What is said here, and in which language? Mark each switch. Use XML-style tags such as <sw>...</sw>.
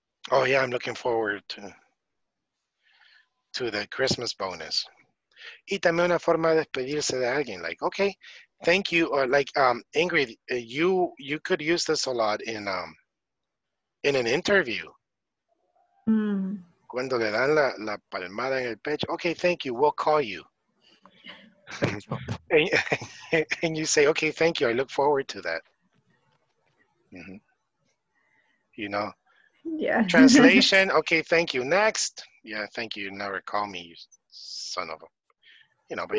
<en>Oh, yeah, I'm looking forward to the Christmas bonus.</en> <es>Y también una forma de despedirse de alguien,</es> <en>like, okay, thank you. Or like, Ingrid, you could use this a lot in an interview. Mm.</en> <es>Cuando le dan la palmada en el pecho.</es> <en>Okay, thank you. We'll call you. And you say, okay, thank you. I look forward to that. Mm-hmm. You know? Yeah. Translation. Okay, thank you. Next. Yeah, thank you. Never call me, you son of a... You know, but</en>